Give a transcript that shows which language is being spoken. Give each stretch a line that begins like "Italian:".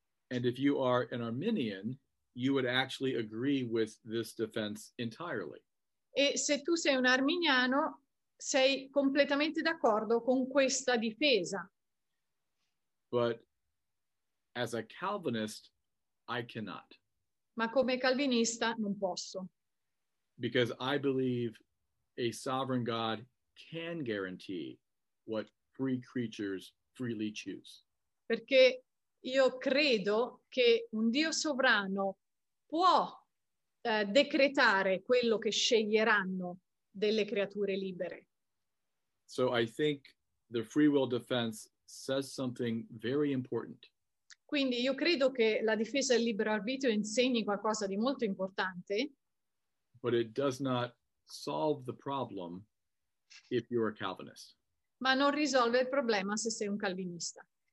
English: And if you are an Arminian, you would actually agree with this defense entirely.
Italian: E se tu sei un arminiano, sei completamente d'accordo con questa difesa.
English: But as a Calvinist, I cannot.
Italian: Ma come calvinista non posso.
English: Because I believe a sovereign God can guarantee what free creatures freely choose.
Italian: Perché io credo che un Dio sovrano può decretare quello che sceglieranno delle creature libere.
English: So I think the free will defense says something very important.
Italian: Quindi io credo che la difesa del libero arbitrio insegni qualcosa di molto importante.
English: But it does not solve the problem if you're a Calvinist.
Italian: Ma non risolve il problema se sei un calvinista.